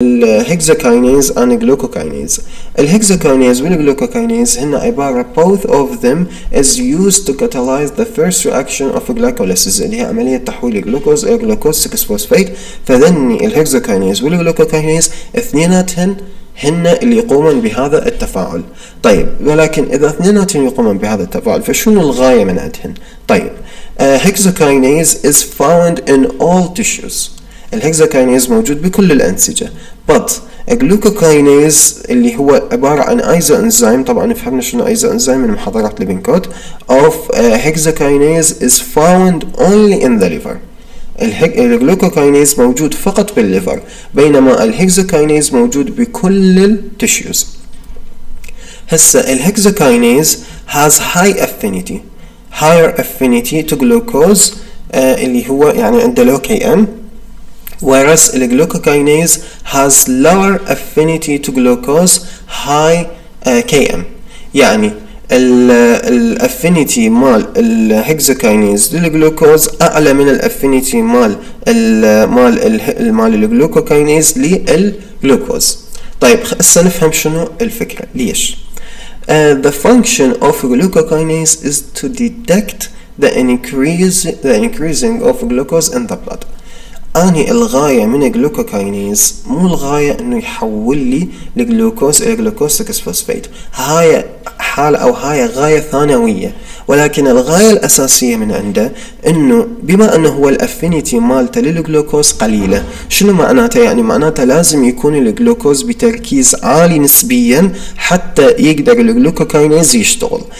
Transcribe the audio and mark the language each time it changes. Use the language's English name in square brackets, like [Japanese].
[English] الهكسوكينيز and glucokinase. [Arabic] الهكسوكينيز والجلوكوكينيز هن عبارة [English] both of them is used to catalyze the first reaction of glycolysis [Arabic] اللي هي عملية تحويل الجلوكوز إلى جلوكوز 6 فوسفيت. فذني الهكسوكينيز والجلوكوكينيز اثنيناتهن هن اللي يقومون بهذا التفاعل. طيب ولكن إذا اثنيناتهن يقومون بهذا التفاعل فشنو الغاية من عندهن؟ طيب هكسوكينيز [English] is found in all tissues. [Arabic] الهكسوكينيز موجود بكل الأنسجة. [English] But glucokinase [Arabic] اللي هو عبارة عن [English] isoenzyme, [Arabic] طبعا فهمنا شنو isoenzyme من محاضرات لبنكوت, [English] of hexokinase is found only in the liver. [Arabic] الجلوكوكينيز موجود فقط بالليفر, بينما الهكسوكينيز موجود بكل التشيوز. [English] هسا الهكسوكينيز has high affinity, higher affinity to glucose [Arabic] اللي هو يعني عنده [English] low KM, whereas الجلوكوكينيز has lower affinity to glucose, high KM. [Arabic] يعني الأفينيتي مال الهكسوكينيز للجلوكوز أعلى من الأفينيتي مال الجلوكوكينيز للجلوكوز. طيب هسه نفهم شنو الفكرة ليش. [English] The function of glucokinase is to detect the increasing of glucose in the blood. [Arabic] أني الغاية من الجلوكوكينيز مو الغاية إنه يحول لي الجلوكوز إلى جلوكوز 6 فوسفيت, هاي حالة أو هاي غاية ثانوية, ولكن الغاية الأساسية من عنده إنه بما أنه هو الأفينيتي مالته للجلوكوز قليلة, شنو معناته؟ يعني معناته لازم يكون الجلوكوز بتركيز عالي نسبيا حتى يقدر الجلوكوكينيز يشتغل.